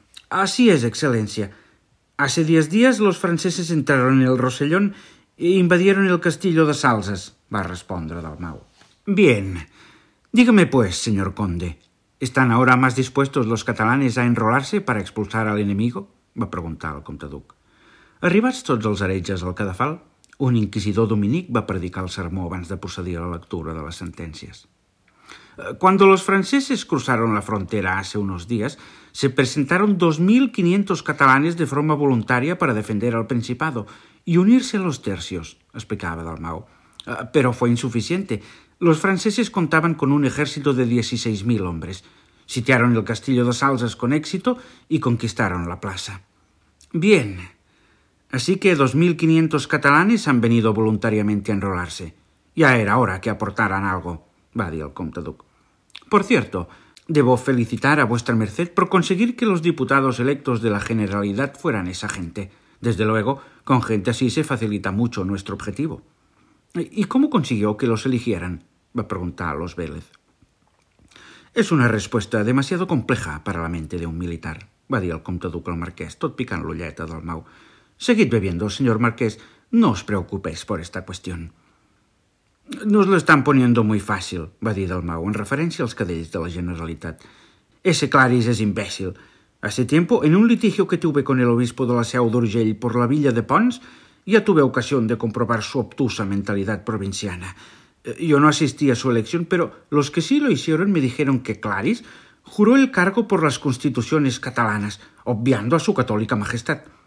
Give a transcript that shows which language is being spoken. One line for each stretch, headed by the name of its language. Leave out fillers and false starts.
Spanish: «Así es, excelencia. Hace 10 días los franceses entraron en el Rosellón e invadieron el castillo de Salses»,
Catalan: va respondre Dalmau.
Spanish: «Bien, dígame pues, señor conde, ¿están ahora más dispuestos los catalanes a enrolarse para expulsar al enemigo?»,
Catalan: va preguntar el comte duc. Arribats tots els heretges al cadafal, un inquisidor dominic va predicar el sermó abans de procedir a la lectura de les sentències.
Spanish: «Cuando los franceses cruzaron la frontera hace unos días, se presentaron 2.500 catalanes de forma voluntaria para defender al Principado y unirse a los tercios»,
Catalan: explicava Dalmau.
Spanish: «Pero fue insuficiente. Los franceses contaban con un ejército de 16.000 hombres. Sitiaron el castillo de Salses con éxito y conquistaron la plaza». «Bien, así que 2.500 catalanes han venido voluntariamente a enrolarse. Ya era hora que aportaran algo»,
Catalan: va dir el comte duc.
Spanish: «Por cierto, debo felicitar a vuestra merced por conseguir que los diputados electos de la Generalidad fueran esa gente. Desde luego, con gente así se facilita mucho nuestro objetivo». «¿Y cómo consiguió que los eligieran?», va preguntar a los Vélez. «Es una respuesta demasiado compleja para la mente de un militar»,
Catalan: va dir el comte duc al marqués, tot picant l'ulleta del Mau.
Spanish: «Seguid bebiendo, señor marqués. No os preocupéis por esta cuestión». «Nos lo están poniendo muy fácil»,
Catalan: va dir Dalmau, en referència als cadells de la Generalitat.
Spanish: «Ese Claris es imbécil. Hace tiempo, en un litigio que tuve con el obispo de la Seu d'Urgell por la Villa de Pons, ya tuve ocasión de comprobar su obtusa mentalidad provinciana. Yo no asistí a su elección, pero los que sí lo hicieron me dijeron que Claris juró el cargo por las constituciones catalanas, obviando a su católica majestad.